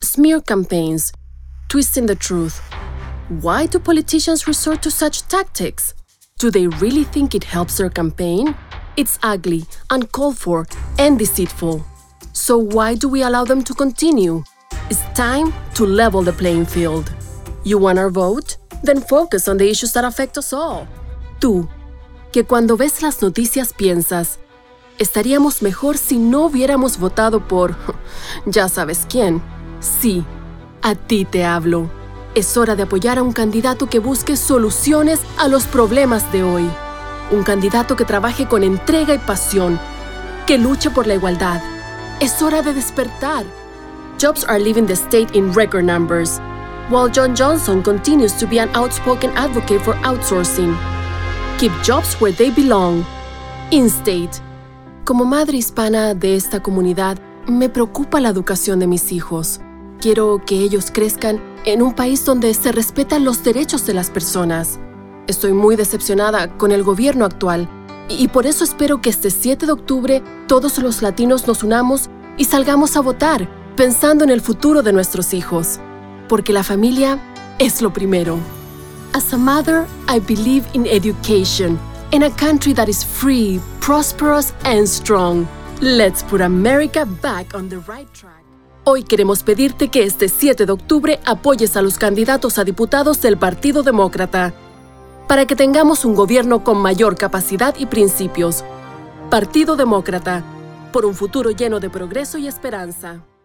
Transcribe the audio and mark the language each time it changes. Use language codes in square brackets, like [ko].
[en] smear campaigns, twisting the truth. Why do politicians resort to such tactics? Do they really think it helps their campaign? It's ugly, uncalled for, and deceitful. So why do we allow them to continue? It's time to level the playing field. You want our vote? Then focus on the issues that affect us all. [es] Tú, que cuando ves las noticias piensas, estaríamos mejor si no hubiéramos votado por, ya sabes quién. Sí, a ti te hablo. Es hora de apoyar a un candidato que busque soluciones a los problemas de hoy. Un candidato que trabaje con entrega y pasión, que luche por la igualdad. Es hora de despertar. [en] Jobs are leaving the state in record numbers, while John Johnson continues to be an outspoken advocate for outsourcing. Keep jobs where they belong, in-state. [es] Como madre hispana de esta comunidad, me preocupa la educación de mis hijos. Quiero que ellos crezcan en un país donde se respetan los derechos de las personas. Estoy muy decepcionada con el gobierno actual y por eso espero que este 7 de octubre todos los latinos nos unamos y salgamos a votar, pensando en el futuro de nuestros hijos. Porque la familia es lo primero. [en] As a mother, I believe in education, in a country that is free, prosperous, and strong. Let's put America back on the right track. [es] Hoy queremos pedirte que este 7 de octubre apoyes a los candidatos a diputados del Partido Demócrata para que tengamos un gobierno con mayor capacidad y principios. Partido Demócrata, por un futuro lleno de progreso y esperanza.